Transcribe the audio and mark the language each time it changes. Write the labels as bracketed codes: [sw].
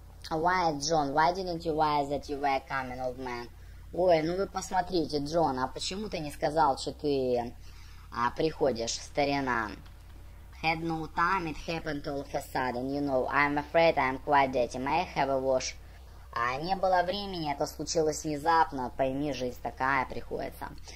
[en] Why, John, why didn't you wire that you were coming, old man? [ru] Ой, ну вы посмотрите, Джон, а почему ты не сказал, что ты приходишь, старина? [en] Had no time, it happened all of a sudden, you know, I'm afraid I'm quite dirty, may I have a wash? [ru] Не было времени, это случилось внезапно, пойми, жизнь такая приходится.